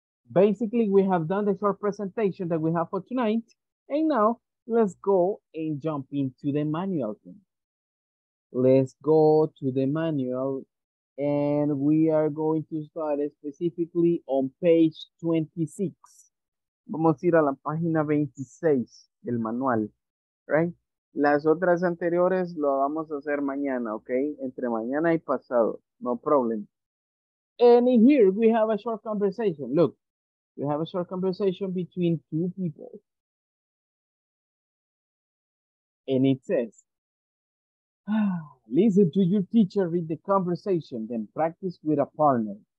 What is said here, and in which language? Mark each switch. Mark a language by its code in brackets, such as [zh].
[en] Basically, we have done the short presentation that we have for tonight. And now, let's go and jump into the manual thing. Let's go to the manual and we are going to start specifically on page 26. [es] Vamos a ir a la página 26 del manual, right? Las otras anteriores lo vamos a hacer mañana, okay? Entre mañana y pasado, [en] no problem. And in here we have a short conversation. Look, we have a short conversation between two people. And it says, listen to your teacher read the conversation, then practice with a partner.